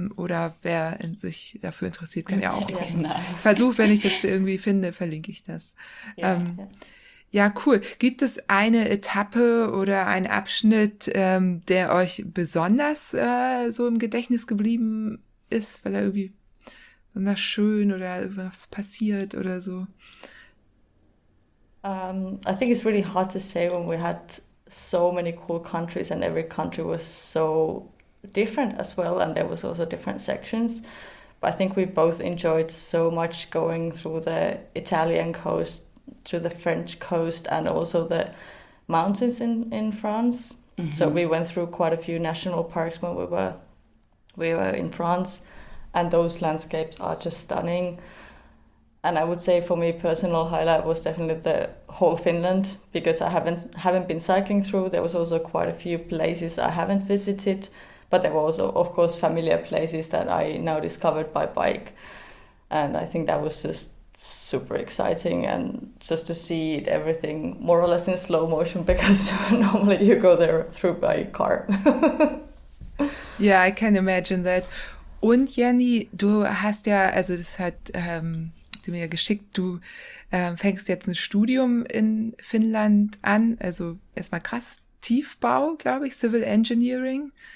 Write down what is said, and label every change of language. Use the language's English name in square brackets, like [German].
[German] Oder wer sich dafür interessiert, kann ja auch gucken. Genau. Versuch, wenn ich das irgendwie finde, verlinke ich das. Cool. Gibt es eine Etappe oder einen Abschnitt, der euch besonders so im Gedächtnis geblieben ist, weil er irgendwie besonders schön oder irgendwas passiert oder so? [English] I think it's really hard to say when we had so many cool countries and every country was so different as well, and there was also different sections. But I think we both enjoyed so much going through the Italian coast, through the French coast, and also the mountains in France. Mm-hmm. So we went through quite a few national parks when we were in France, and those landscapes are just stunning. And I would say for me, personal highlight was definitely the whole Finland, because I haven't been cycling through. There was also quite a few places I haven't visited, but there were also, of course, familiar places that I now discovered by bike. And I think that was just super exciting. And just to see it, everything more or less in slow motion, because normally you go there through by car. Yeah, I can imagine that. [German] Und Jenny, du hast ja, also das hat... du mir geschickt, du fängst jetzt ein Studium in Finnland an, also erstmal krass, Tiefbau, glaube ich, Civil Engineering.